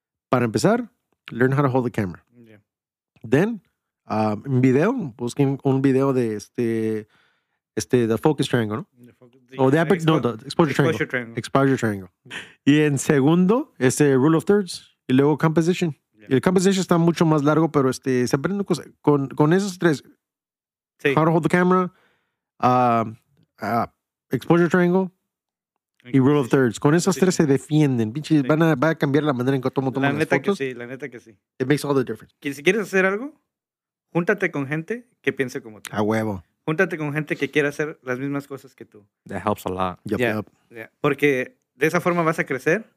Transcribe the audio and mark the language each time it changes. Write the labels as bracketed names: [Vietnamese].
[Spanish] Para empezar, [English] learn how to hold the camera. Yeah. Then, [Spanish] en video, busquen un video de [English] the focus triangle, ¿no? The exposure triangle. [Spanish] Y en segundo, [English] rule of thirds, y luego composition. [Spanish] Yeah. Y el composition está mucho más largo, pero se aprende cosas. Con esos tres, sí. [English] How to hold the camera, exposure triangle, y rule of thirds. [Spanish] Con esas tres se defienden. Pinche, sí. Va a cambiar la manera en que toman las fotos. La neta que sí. [English] It makes all the difference. [Spanish] Que si quieres hacer algo, júntate con gente que piense como tú. A huevo. Júntate con gente que quiera hacer las mismas cosas que tú. [English] That helps a lot. Yep. [Spanish] Porque de esa forma vas a crecer.